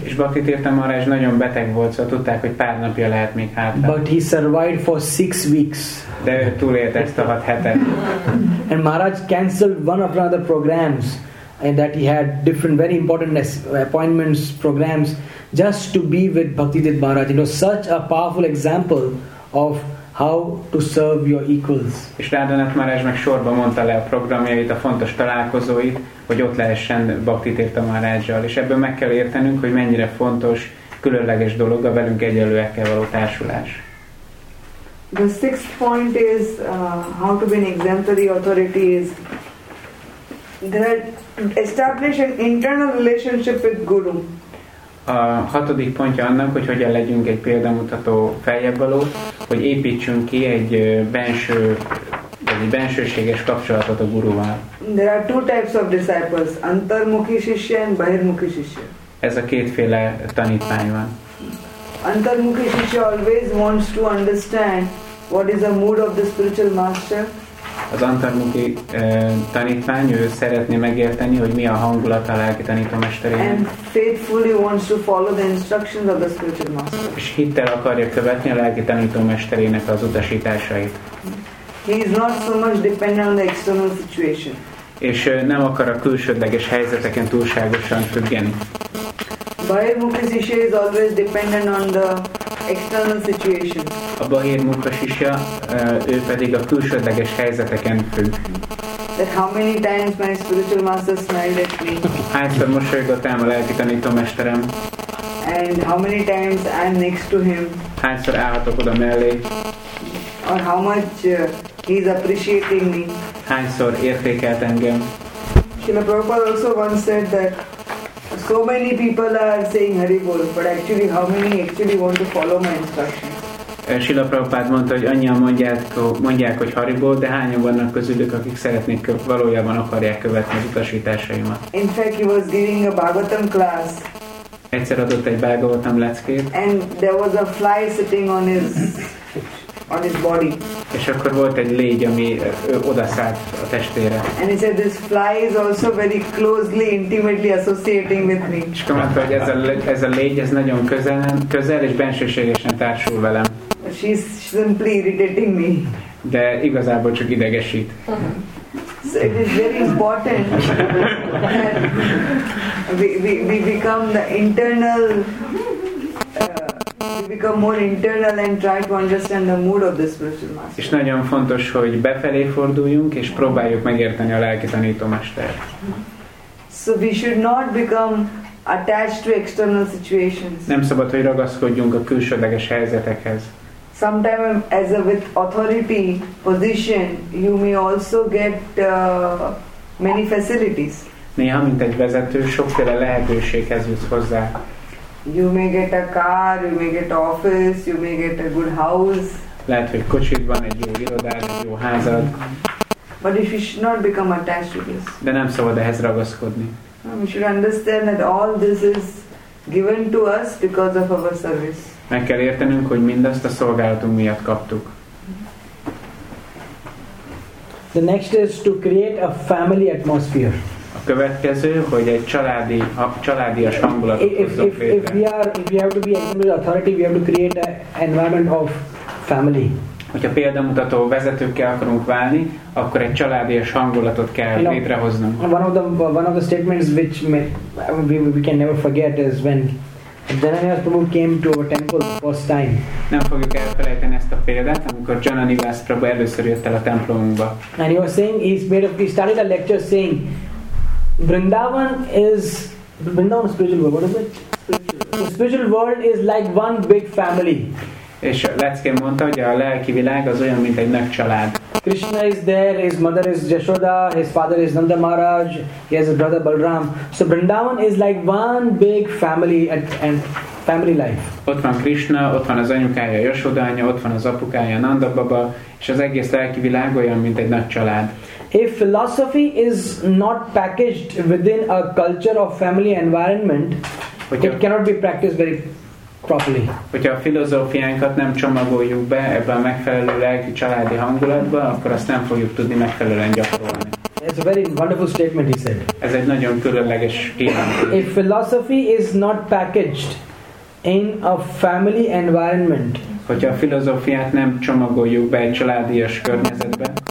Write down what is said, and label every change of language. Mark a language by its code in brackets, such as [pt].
[hu] És Bhakti Tirtha Maharaj nagyon beteg volt, szóval tudták, hogy pár napja lehet még hátra. [en] But he survived for 6 weeks. [hu] De ő túlélt ezt a 6 hetet. [en] And Maharaj cancelled one of another programs, and that he had different very important appointments, programs, just to be with Bhakti Tirtha Maharaj. You know, such a powerful example of how to serve your equals. [hu] És Radhanath Maharaj meg sorba mondta le a programjait, a fontos találkozóit, hogy ott lehessen Bhakti Tirtha Maharajjal. És ebből meg kell értenünk, hogy mennyire fontos, különleges dolog a velünk egyenlőekkel való társulás. [en] The sixth point is how to be an exemplary authority is that establish an internal relationship with Guru. [hu] A hatodik pontja annak, hogy hogyan legyünk egy példamutató feljebbvaló, hogy építsünk ki egy belső, egy bensőséges kapcsolatot a Guruval. [en] There are two types of disciples, antarmukhi shishya and bahirmukhi shishya. [hu] Ez a kétféle tanítvány van. [en] Antarmukhi shishya always wants to understand what is the mood of the spiritual master. [hu] Az antarmukhi tanítvány, ő szeretné megérteni, hogy mi a hangulat a lelki tanítómesterének. [en] And faithfully wants to follow the instructions of the spiritual master. [hu] És hittel akarja követni a lelki tanítómesterének az utasításait. [en] He is not so much dependent on the external situation. [hu] És nem akar a külsődleges helyzeteken túlságosan függeni. [en] Bahirmukhi shishya is always dependent on the external situation. [hu] A bahirmukha shishya, ő pedig a külsődleges helyzeteken függ. [en] That how many times my spiritual master smiled at me. [hu] Hányszor mosolygott el a lelki tanítómesterem. [en] And how many times I am next to him. [hu] Hányszor állhatok oda mellé. [en] Or how much he is appreciating me. [hu] Hányszor értékelt engem. [en] Srila Prabhupada also once said that so many people are saying Hari Bol, but actually how many actually want to follow my instructions? [hu] Srila Prabhupada mondta, hogy annyian mondják, hogy Hari Bol, de hányan vannak közülük, akik szeretnék valójában akarják követni az utasításaimat. [en] In fact, he was giving a Bhagavatam class. [hu] Egyszer adott egy Bhagavatam leckét. [en] And there was a fly sitting on his body. [hu] És akkor volt egy légy, ami odaszállt a testére. [en] And he said this fly is also very closely, intimately associating with me. [hu] És akkor mondta, hogy ez a légy, ez nagyon közel és bensőségesen társul velem. [en] She's simply irritating me. [hu] De igazából csak idegesít. [en] So it is very important that we become the internal. We become more internal and try to understand the mood of the spiritual master. [hu] És nagyon fontos, hogy befelé forduljunk és próbáljuk megérteni a lelki tanítómestert. [en] So we should not become attached to external situations. [hu] Nem szabad, hogy ragaszkodjunk a külsődleges helyzetekhez. [en] sometime as a with authority position, you may also get many facilities. [hu] Néha, mint egy vezető, sokféle lehetőséghez jut hozzá. [en] You may get a car, you may get office, you may get a good house. [hu] Lehet, hogy kocsit van, egy jó irodád, egy jó házad. [en] But if you should not become attached to this. [hu] De nem szabad ehhez ragaszkodni. [en] We should understand that all this is given to us because of our service. [hu] Meg kell értenünk, hogy mindezt a szolgálatunk miatt kaptuk. [en] The next is to create a family atmosphere. [hu] A következő, hogy egy családi, családias hangulatot hozzunk létre. [en] If we have to be exemplary authority, we have to create an environment of family. [hu] Hogyha példamutató vezetőkkel akarunk válni, akkor egy családias hangulatot kell létrehoznunk. [en] One of the statements which we can never forget is when Jananivas Prabhu came to our temple first time. [hu] Nem fogjuk elfelejteni ezt a példát, amikor Jananivas Prabhu először jött el a templomunkba. [en] And he started a lecture saying, Vrindavan is spiritual world. What is it? The spiritual world is like one big family. [hu] És Leckén mondta, hogy a lelki világ az olyan, mint egy nagy család. [en] Krishna is there, his mother is Yashoda, his father is Nanda Maharaj, he has a brother Balram. So Vrindavan is like one big family and family life. [hu] Ott van Krishna, ott van az anyukája Yashoda anya, ott van az apukája Nanda Baba, és az egész lelki világ olyan, mint egy nagy család. [en] If philosophy is not packaged within a culture of family environment, it cannot be practiced very properly. [hu] Hogyha a filozófiánkat nem csomagoljuk be ebbe a megfelelő lelki családi hangulatba, akkor azt nem fogjuk tudni megfelelően gyakorolni. [en] It's a very wonderful statement he said. [hu] Ez egy nagyon különleges kijelentés. [en] If philosophy is not packaged in a family environment, [hu] hogyha a filozófiát nem csomagoljuk be egy családias környezetbe,